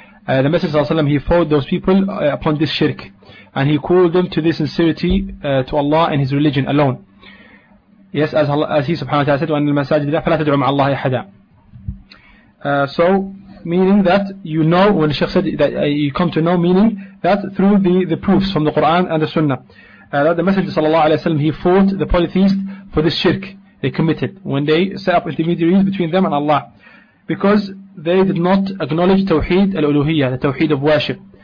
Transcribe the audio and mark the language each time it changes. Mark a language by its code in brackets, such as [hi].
[en] The Messenger of Allah, he fought those people upon this shirk, and he called them to this sincerity to Allah and His religion alone. Yes, as he subhanahu wa ta'ala said, [ar] وَأَنَّ الْمَسَاجِدَ لَا فَلَا تَدْعُوا مَعَ اللَّهِ أَحَدًا. [en] So, meaning that you know, when the Shaykh said that you come to know, meaning that through the proofs from the Quran and the Sunnah, that the Messenger sallallahu alayhi wa sallam, he fought the polytheists for this shirk they committed when they set up intermediaries between them and Allah, because they did not acknowledge Tawheed al-Uluhiyyah, the Tawheed of worship.